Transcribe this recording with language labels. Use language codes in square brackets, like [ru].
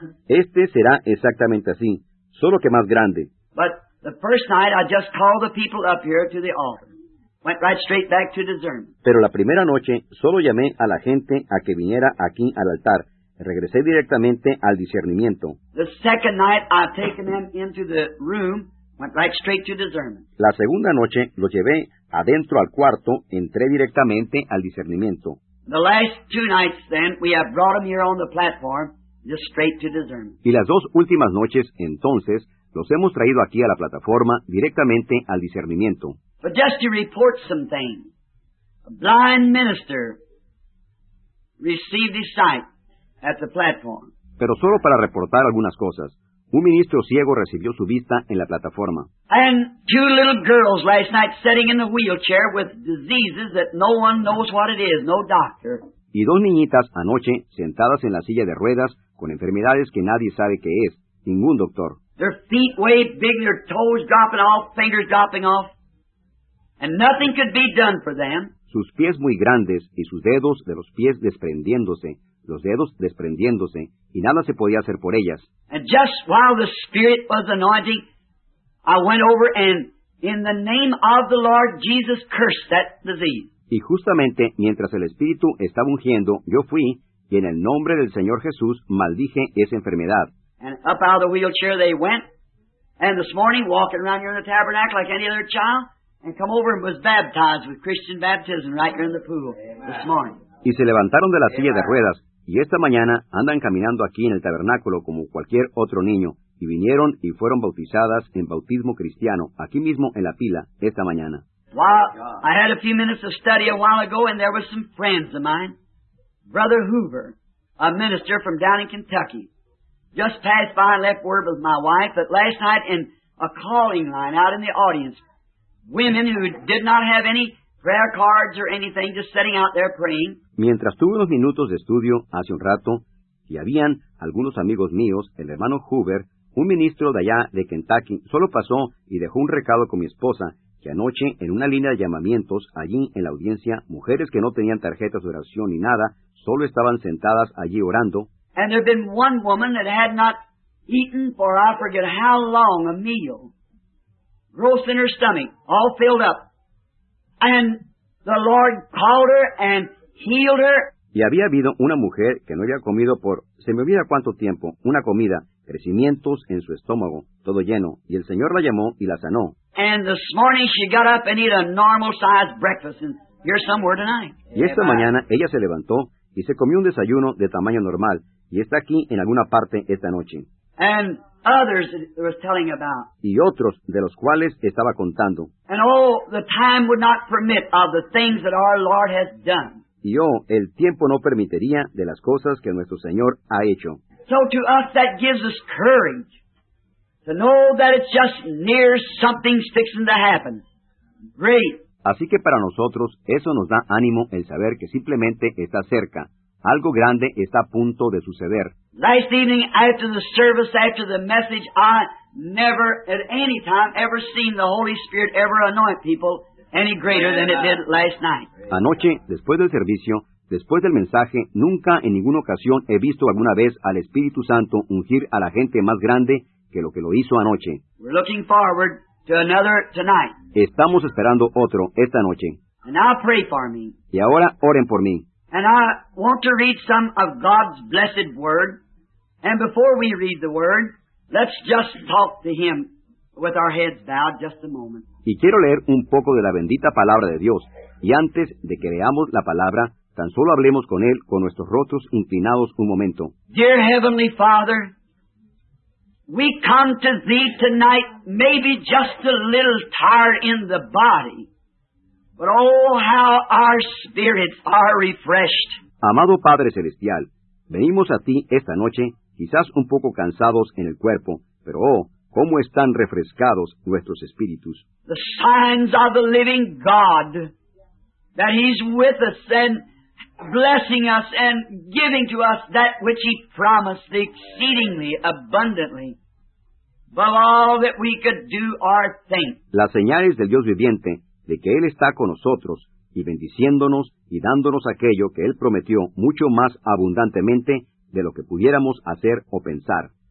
[es] Este será exactamente así, solo que más grande. [en] But the first night, I just called the people up here to the altar. Went right straight back to discernment. [es] Pero la primera noche solo llamé a la gente a que viniera aquí al altar. Regresé directamente al discernimiento. [en] The second night I taken them into the room, went right straight to discernment. [es] La segunda noche los llevé adentro al cuarto, entré directamente al discernimiento. [en] The last two nights then we have brought them here on the platform, just straight to discernment. [es] Y las dos últimas noches entonces los hemos traído aquí a la plataforma directamente al discernimiento. [en] But just to report some things. A blind minister received his sight at the platform. [es] Pero solo para reportar algunas cosas. Un ministro ciego recibió su vista en la plataforma. [en] And two little girls last night sitting in the wheelchair with diseases that no one knows what it is, no doctor. [es] Y dos niñitas anoche sentadas en la silla de ruedas con enfermedades que nadie sabe qué es, ningún doctor. [en] Their feet way big, their toes dropping off, fingers dropping off, and nothing could be done for them. [es] Sus pies muy grandes y sus dedos de los pies desprendiéndose, los dedos desprendiéndose, y nada se podía hacer por ellas. [en] And just while the Spirit was anointing, I went over and in the name of the Lord Jesus cursed that disease. [es] Y justamente mientras el Espíritu estaba ungiendo, yo fui y en el nombre del Señor Jesús maldije esa enfermedad. [en] And up out of the wheelchair they went, and this morning walking around here in the tabernacle like any other child, and come over and was baptized with Christian baptism right here in the pool this morning. [es] Y se levantaron de la silla de ruedas, y esta mañana andan caminando aquí en el tabernáculo como cualquier otro niño, y vinieron y fueron bautizadas en bautismo cristiano, aquí mismo en la pila, esta mañana. [en] Well, I had a few minutes of study a while ago, and there were some friends of mine, Brother Hoover, a minister from down in Kentucky, just passed by and left word with my wife, but last night in a calling line out in the audience, women who did not have any prayer cards or anything, just sitting out there praying. [es] Mientras tuve unos minutos de estudio hace un rato, y habían algunos amigos míos, el hermano Hoover, un ministro de allá de Kentucky, solo pasó y dejó un recado con mi esposa, que anoche en una línea de llamamientos, allí en la audiencia, mujeres que no tenían tarjetas de oración ni nada, solo estaban sentadas allí orando. [en] And there had been one woman that had not eaten for I forget how long a meal. Gross in her stomach, all filled up. And the Lord called her and healed her. [es] Y había habido una mujer que no había comido por, se me olvida cuánto tiempo, una comida, crecimientos en su estómago, todo lleno. Y el Señor la llamó y la sanó. [en] And this morning she got up and ate a normal sized breakfast. And here's somewhere tonight. [es] Y esta mañana ella se levantó y se comió un desayuno de tamaño normal. Y está aquí en alguna parte esta noche. [en] And others that was telling about. [es] Y otros de los cuales estaba contando. [en] And oh, the time would not permit of the things that our Lord has done. [es] Y oh, el tiempo no permitiría de las cosas que nuestro Señor ha hecho. [en] So to us that gives us courage to know that it's just near something's fixing to happen. Great. [es] Así que para nosotros eso nos da ánimo el saber que simplemente está cerca. Algo grande está a punto de suceder. [en] Last evening, after the service, after the message, I never at any time ever seen the Holy Spirit ever anoint people any greater than it did last night. [es] Anoche, después del servicio, después del mensaje, nunca en ninguna ocasión he visto alguna vez al Espíritu Santo ungir a la gente más grande que lo que lo hizo anoche. [en] We're looking forward to another tonight. [es] Estamos esperando otro esta noche. [en] And now pray for me. [es] Y ahora oren por mí. [en] And I want to read some of God's blessed word. And before we read the word, let's just talk to Him with our heads bowed just a moment. [es] Y quiero leer un poco de la bendita palabra de Dios. Y antes de que leamos la palabra, tan solo hablemos con Él con nuestros rostros inclinados un momento. [en] Dear Heavenly Father, we come to Thee tonight, maybe just a little tired in the body. But oh, how our spirits are refreshed. [es] Amado Padre Celestial, venimos a ti esta noche, quizás un poco cansados en el cuerpo, pero oh, cómo están refrescados nuestros espíritus. [en] The signs of the living God, that He's with us and blessing us and giving to us that which He promised exceedingly abundantly. Above all that we could do or think. [es] Las señales del Dios viviente, de que Él está con nosotros y bendiciéndonos y dándonos aquello que Él prometió mucho más abundantemente de lo que pudiéramos hacer o pensar.